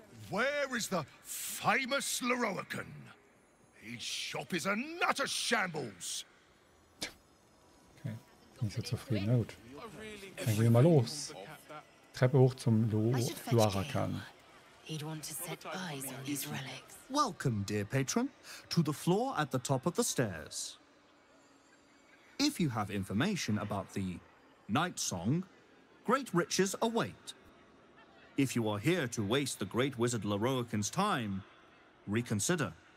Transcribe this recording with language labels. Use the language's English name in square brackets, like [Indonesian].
[English] Where is the famous Leroican? His shop is a nutter shambles. [German] Okay, bin ich so zufrieden. Na gut. Dann gehen wir mal los. Treppe hoch zum Luarakan. [English] He'd want to set eyes on these relics. Welcome, dear patron, to the floor at the top of the stairs. If you have information about the Night Song, great riches await. If you are here to waste the great wizard Leroican's time, reconsider.